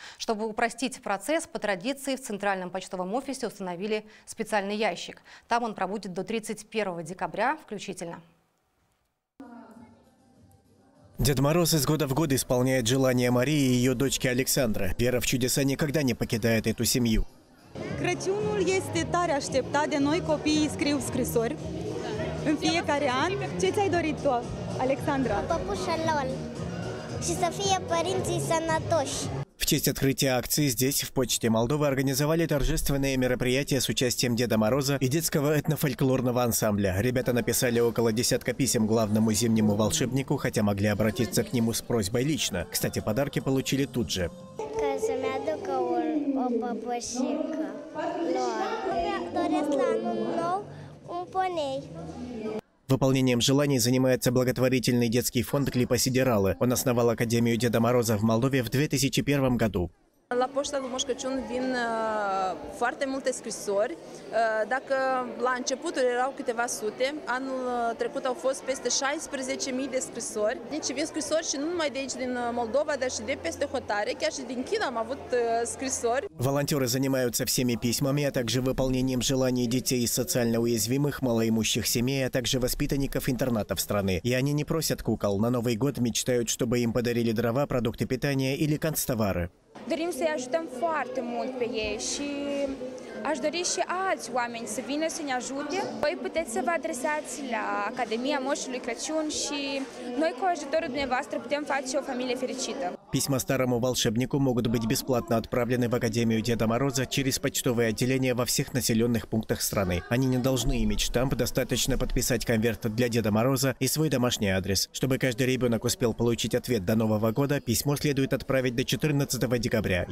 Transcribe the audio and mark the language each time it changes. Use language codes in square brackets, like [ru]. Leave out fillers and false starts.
[ru] Чтобы упростить процесс, по традиции в центральном почтовом офисе установили специальный ящик. Там он пробудет до 31 декабря включительно. Дед Мороз из года в год исполняет желания Марии и ее дочки Александры. Вера в чудеса никогда не покидает эту семью. [ro] Крăciunul este tare așteptat de noi copii, scriu scrisori în fiecare an. Ce ți-ai dorit tu, Alexandra? Păpușa lol. Și să fie părinții sănătoși. [ru] В честь открытия акции здесь, в Почте Молдовы, организовали торжественное мероприятие с участием Деда Мороза и детского этнофольклорного ансамбля. Ребята написали около десятка писем главному зимнему волшебнику, хотя могли обратиться к нему с просьбой лично. Кстати, подарки получили тут же. Выполнением желаний занимается благотворительный детский фонд «Клипа Сидералы». Он основал Академию Деда Мороза в Молдове в 2001 году. [ro] La poșta lui Moș Crăciun vin foarte multe scrisori. Dacă la începuturi erau câteva sute, anul trecut au fost peste 16.000 de scrisori. Deci vin scrisori și nu numai de aici, din Moldova, dar și de peste hotare. Chiar și din China am avut scrisori. [ru] Волонтеры занимаются всеми письмами, а также выполнением желаний детей из социально уязвимых, малоимущих семей, а также воспитанников интернатов страны. И они не просят кукол. На Новый год мечтают, чтобы им подарили дрова, продукты питания или канцтовары. [ro] Dorim să-i ajutăm foarte mult pe ei și aș dori și alți oameni să vină să ne ajute. Voi puteți să vă adresați la Academia Moșului Crăciun și noi cu ajutorul dumneavoastră putem face o familie fericită. [ru] Письма старому волшебнику могут быть бесплатно отправлены в Академию Деда Мороза через почтовые отделения во всех населенных пунктах страны. Они не должны иметь штамп, достаточно подписать конверт для Деда Мороза и свой домашний адрес. Чтобы каждый ребенок успел получить ответ до Нового года, письмо следует отправить до 14 декабря.